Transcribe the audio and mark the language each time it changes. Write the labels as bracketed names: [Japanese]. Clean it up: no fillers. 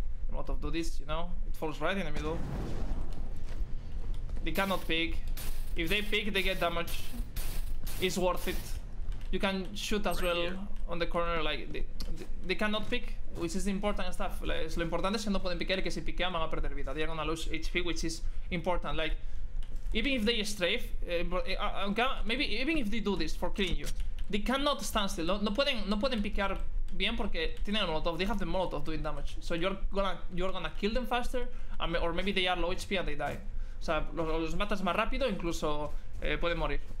[English] The Molotov do this, you know? It falls right in the middle. They cannot pick. If they pick, they get damage. It's worth it. You can shoot as right well here on the corner. Like they cannot pick, which is the important stuff. [Spanish] Like, lo importante es que no pueden piquear, que si piquean van a perder vida. [English] They are gonna lose HP, which is important. Like even if they strafe, maybe even if they do this for killing you, they cannot stand still. [Spanish] No pueden piquear bien porque tienen el Molotov. [English] They have the Molotov doing damage. So you're gonna kill them faster, or maybe they are low HP and they die. [Spanish] O sea, los matas más rápido, incluso pueden morir.